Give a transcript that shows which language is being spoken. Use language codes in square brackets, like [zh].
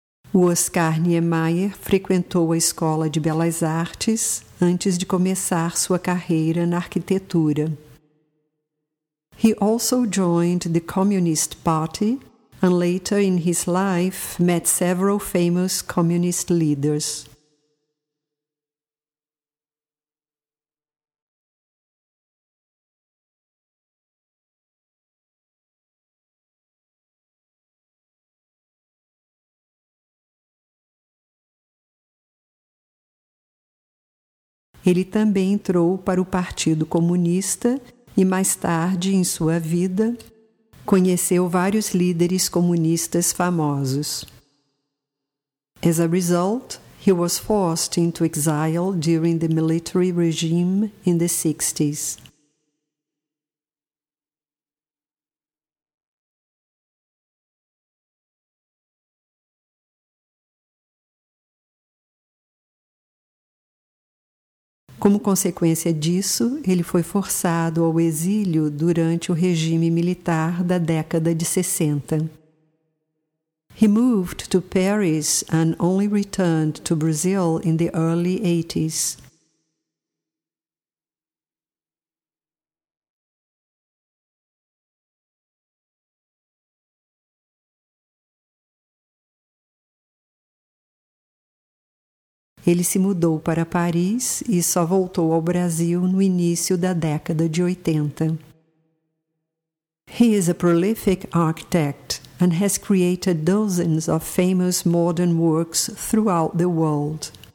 [pt] O Oscar Niemeyer frequentou a Escola de Belas Artes antes de começar sua carreira na arquitetura. [en] He also joined the Communist Party and later in his life met several famous communist leaders. [pt] Ele também entrou para o Partido Comunista e, mais tarde, em sua vida, conheceu vários líderes comunistas famosos. [en] As a result, he was forced into exile during the military regime in the 60s. [pt] Como consequência disso, ele foi forçado ao exílio durante o regime militar da década de 60. [en] He moved to Paris and only returned to Brazil in the early 80s. [pt] Ele se mudou para Paris e só voltou ao Brasil no início da década de 80. [en] He is a prolific architect and has created dozens of famous modern works throughout the world.